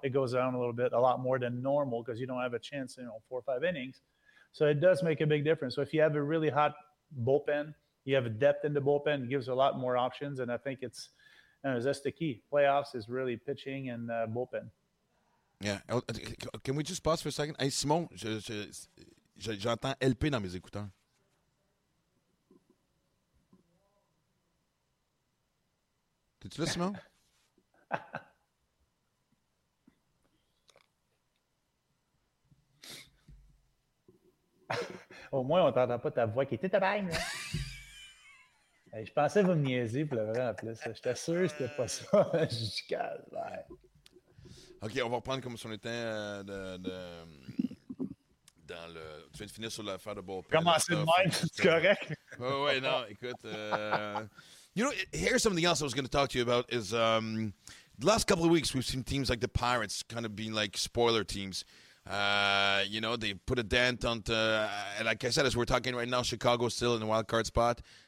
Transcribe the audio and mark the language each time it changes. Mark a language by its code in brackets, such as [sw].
[en] It goes down a lot more than normal because you don't have a chance in, you know, 4 or 5 innings. So it does make a big difference. So if you have a really hot bullpen, you have a depth in the bullpen, it gives a lot more options. And I think it's, you know, that's the key. Playoffs is really pitching and bullpen. Yeah. Can we just pause for a second? [fr] Hey, Simon, j'entends LP dans mes écouteurs. T'es-tu là, Simon? Au moins, on t'entend pas ta voix qui était ta bagne, là. Je pensais vous me niaiser, puis le vrai, en plus. J'étais sûr que c'était pas ça. Je suis calme. OK, on va reprendre comme si on était dans le... Tu viens de finir sur l'affaire de bullpen. Comment c'est de même, c'est correct. Oui, non, écoute. [en] You know, here's something else I was going to talk to you about is the last couple of weeks we've seen teams like the Pirates kind of being like spoiler teams. You know, they put a dent on to, and like I said, as we're talking right now, Chicago's still in the wild card spot.